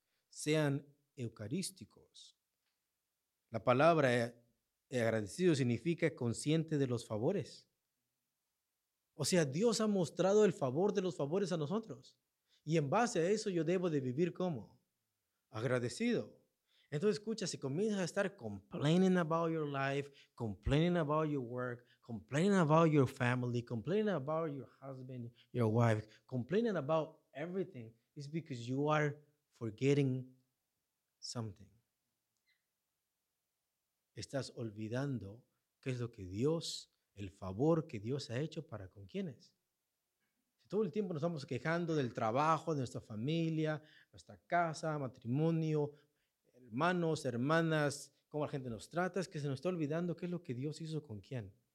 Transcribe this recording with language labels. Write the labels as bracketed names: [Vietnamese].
[Spanish] Sean eucarísticos. La palabra agradecido significa consciente de los favores. O sea, Dios ha mostrado el favor de los favores a nosotros. Y en base a eso yo debo de vivir ¿cómo? Agradecido. Entonces, escucha, si comienzas a estar [English] complaining about your life, complaining about your work, complaining about your family, complaining about your husband, your wife, complaining about everything, it's because you are forgetting something. [Spanish] Estás olvidando qué es lo que Dios, el favor que Dios ha hecho para con quiénes. Si todo el tiempo nos estamos quejando del trabajo, de nuestra familia, nuestra casa, matrimonio, hermanos, hermanas, cómo la gente nos trata, es que se nos está olvidando qué es lo que Dios hizo con quién.